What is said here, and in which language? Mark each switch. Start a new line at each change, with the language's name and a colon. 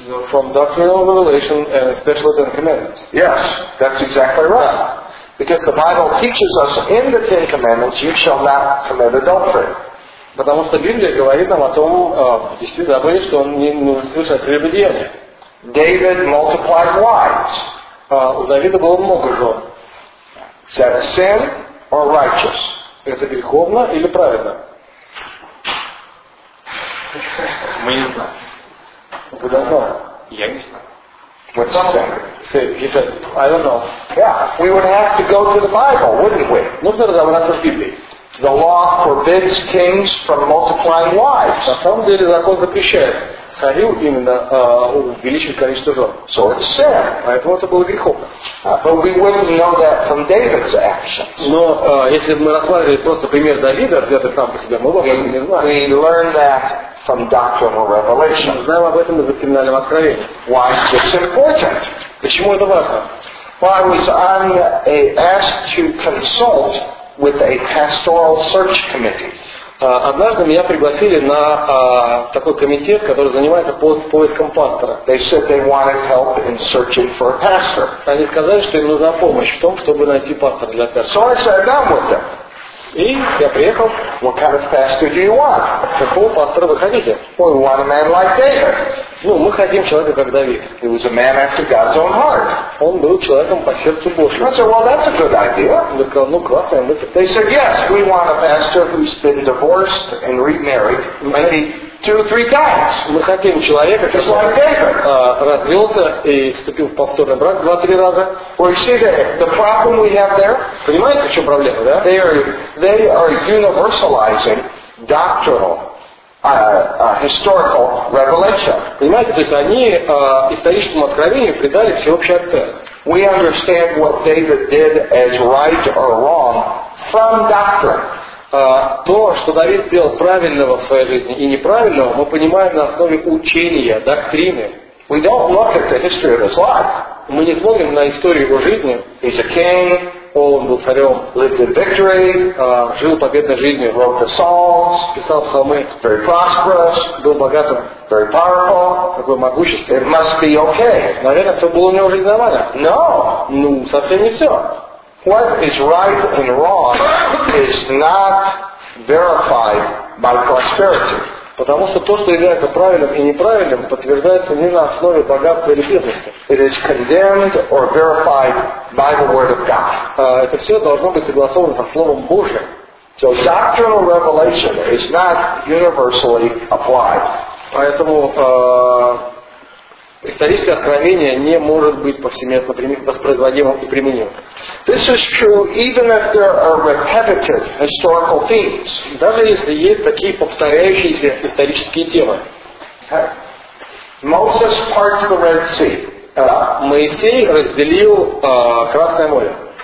English: From doctrinal revelation and especially the Ten Commandments. Yes, that's exactly right. Because the Bible teaches us in the Ten Commandments, you shall not commit adultery.
Russian: Потому что Библия говорит нам о том, действительно забыли, что он не нужно совершать прелюбодеяние.
English: David multiplied wives.
Russian: У Давида было много жен.
English: Is that sin or righteous?
Russian: Это греховно или праведно? Мы не знаем. Вы давно? Я не знаю.
English: What's the sin? He said, I don't know. Yeah, we would have to go to the Bible, wouldn't we?
Russian: Нужно разобраться в Библии.
English: The law forbids kings from multiplying wives.
Russian: На самом деле закон запрещает царю именно увеличивать количество жен.
English: So it's sin.
Russian: Поэтому это было грехом.
English: But we wouldn't know that from David's actions.
Russian: Но если бы мы рассматривали просто пример Давида, взятый сам по себе, мы бы об этом не знали.
English: We learn that from doctrinal revelation.
Russian: Мы знаем об этом из доктринального откровения.
English: Why is this important?
Russian: Почему это важно?
English: Well, I was asked to consult with a pastoral search committee.
Russian: Однажды меня пригласили на такой комитет, который занимается поиском пастора.
English: They said they wanted help in searching for a pastor.
Russian: Они сказали, что им нужна помощь в том, чтобы найти пастора для церкви.
English: So I said, I'm with them.
Russian: И я приехал.
English: What kind of pastor do you want?
Russian: Какого пастора вы хотите?
English: Well, we want a man like David.
Russian: Ну, мы хотим человека, как Давид.
English: He was a man after God's own heart.
Russian: Он был человеком по сердцу Божьему.
English: I said, well, that's a good idea.
Russian: Я сказал, ну, классная мысль.
English: They said, yes, we want a pastor who's been divorced and remarried. Maybe 2-3 times.
Russian: Мы хотим человека, который развелся и вступил в повторный брак 2-3 раза.
English: Well, you see the problem we have there?
Russian: Понимаете, в чем проблема, да?
English: They are universalizing doctrinal. Historical revelation.
Russian: Понимаете, то есть они историческому откровению придали всеобщий акцент.
English: We understand what David did as right or wrong from doctrine.
Russian: То, что Давид сделал правильного в своей жизни и неправильного, мы понимаем на основе учения, доктрины.
English: We don't look at the history of his life.
Russian: Мы не смотрим на историю его жизни.
English: He's a king.
Russian: Он был царем.
English: Lived in victory.
Russian: Жил победной жизнью.
English: Wrote the Psalms.
Russian: Писал псалмы.
English: Very prosperous.
Russian: Был богатым.
English: Very powerful.
Russian: Такое могущество.
English: It must be okay.
Russian: Наверное, все было у него в жизни нормально.
English: No.
Russian: Ну, совсем не все.
English: What is right and wrong is not verified by prosperity.
Russian: Потому что то, что является правильным и неправильным, подтверждается не на основе богатства или бедности.
English: It is condemned or verified by the word of God.
Russian: Это все должно быть согласовано со Словом Божьим.
English: So doctrinal revelation is not universally applied.
Russian: Поэтому историческое откровение не может быть повсеместно воспроизводимым и применимым.
English: This is true even if there are repetitive historical themes.
Russian: Даже если есть такие повторяющиеся исторические темы.
English: Moses parts the Red Sea.
Russian: Моисей разделил Красное море.